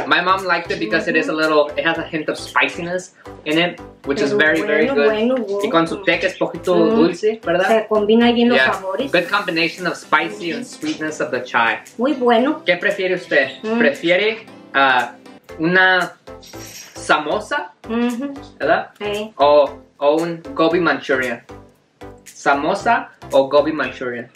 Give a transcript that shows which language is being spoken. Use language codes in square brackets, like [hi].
[en] My mom liked it because it is a little, it has a hint of spiciness in it, which [es] Pero [en] is very, [es] bueno, [en] very good. [es] Bueno. Y con su té que es poquito dulce, ¿verdad? Se combina bien los sabores. [en] Good combination of spicy and sweetness of the chai. [es] Muy bueno. ¿Qué prefiere usted? ¿Prefiere una samosa? ¿Verdad? Sí. O un gobi manchurian. samosa o gobi manchurian?